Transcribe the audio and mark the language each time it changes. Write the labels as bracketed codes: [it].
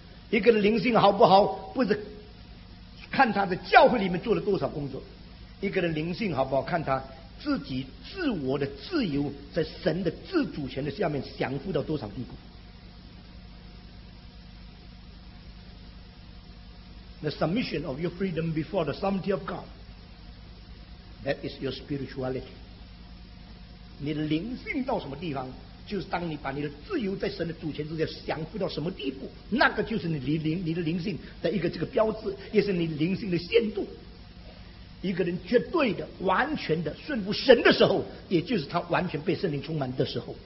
[zh] 一个人灵性好不好，不是看他在教会里面做了多少工作，一个人灵性好不好，看他自己自我的自由在神的自主权的下面降服到多少地步。 [en] The submission of your freedom before the sovereignty of God. That is your spirituality. [zh] 你的灵性到什么地方，就是当你把你的自由在神的主权之下降服到什么地步，那个就是你的灵性的一个这个标志，也是你灵性的限度。一个人绝对的完全的顺服神的时候，也就是他完全被圣灵充满的时候。